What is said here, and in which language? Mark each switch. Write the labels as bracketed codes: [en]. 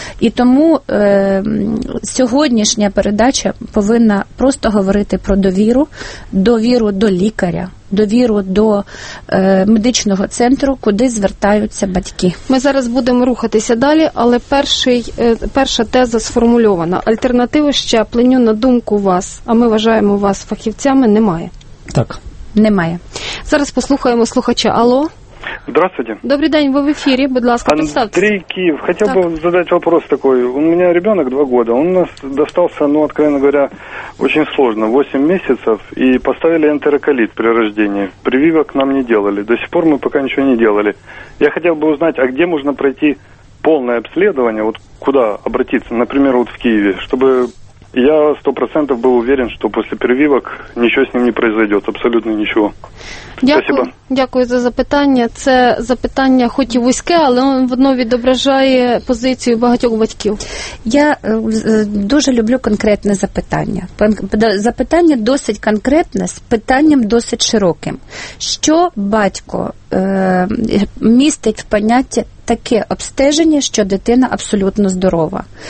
[uk] І тому сьогоднішня передача повинна просто говорити про довіру, довіру до лікаря, довіру до медичного центру, куди звертаються батьки. Ми зараз будемо рухатися далі, але перша теза сформульована. Альтернативи щепленню, на думку вас, а ми вважаємо вас фахівцями, немає. Так. Немає. Зараз послухаємо слухача. Алло. [ru] Здравствуйте. Добрый день, вы в эфире, [uk] будь ласка, [ru] представьтесь. Андрей Киев, хотел бы задать вопрос такой. У меня ребенок 2 года, он у нас достался, ну, откровенно говоря, очень сложно, 8 месяцев, и поставили энтероколит при рождении. Прививок нам не делали, до сих пор мы пока ничего не делали. Я хотел бы узнать, а где можно пройти полное обследование, вот куда обратиться, например, вот в Киеве, чтобы я 100% был уверен, что после прививок ничего с ним не произойдет, абсолютно ничего. [uk] Дякую. [ru] Спасибо. [uk] Дякую за запитання. Це запитання хоч і вузьке, але воно відображає позицію багатьох батьків. Я дуже люблю конкретне запитання. Запитання досить конкретне, з питанням досить широким. Що батько містить в понятті таке обстеження, що дитина абсолютно здорова?